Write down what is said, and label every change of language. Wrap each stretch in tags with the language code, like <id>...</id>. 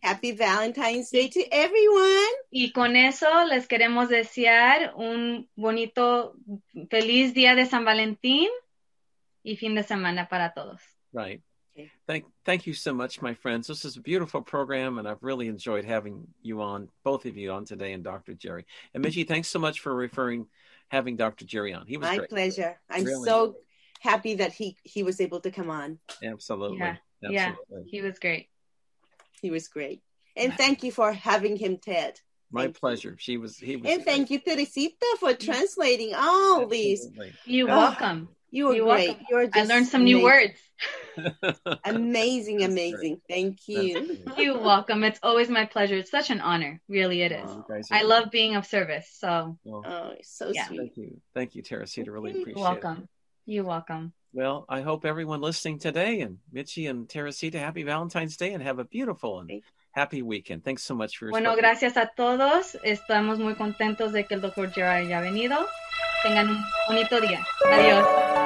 <en>happy Valentine's Day to everyone.</en> <es>Y con eso les queremos desear un bonito, feliz día de San Valentín y fin de semana para todos.</es> <en>Right. Thank you so much, my friends. This is a beautiful program, and I've really enjoyed having you on, both of you on today, and Dr. Jerry. And Michi, thanks so much for having Dr. Jerry on. He was my great. Pleasure. I'm really so great. Happy that he was able to come on. Absolutely. Yeah, he was great. He was great. And thank you for having him, Ted. My pleasure. He was And thank you, Teresita, for translating all these. You're welcome. You were great. Welcome. You're just I learned some amazing. New words. Amazing, amazing. Great. Thank you. You're welcome. It's always my pleasure. It's such an honor. Really, it is. I love being of service. So, Sweet. Thank you, Teresita. Really appreciate welcome. It. You're welcome. You're welcome. Well, I hope everyone listening today and Michi and Teresita, happy Valentine's Day and have a beautiful and happy weekend. Thanks so much for your support.</en> <es>Bueno, gracias a todos. Estamos muy contentos de que el Dr. Jerry haya venido. Tengan un bonito día. Adiós.</es>